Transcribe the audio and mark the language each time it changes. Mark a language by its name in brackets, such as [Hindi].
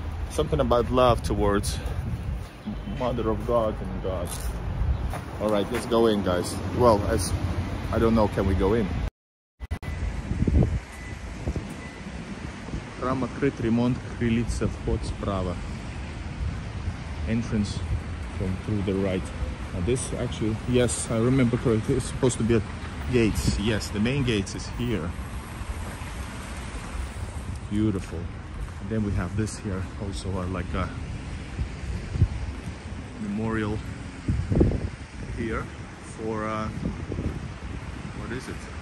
[English] Something about love towards Mother of God and God. All right, let's go in, guys. Well, as I don't know, can we go in? [Russian] Храм открыт, ремонт, крылица, вход справа. [English] Entrance from through the right. And this actually, yes, I remember correctly, it's supposed to be a gate. Yes, the main gate is here. Beautiful. And then we have this here also, like a memorial here for, what is it?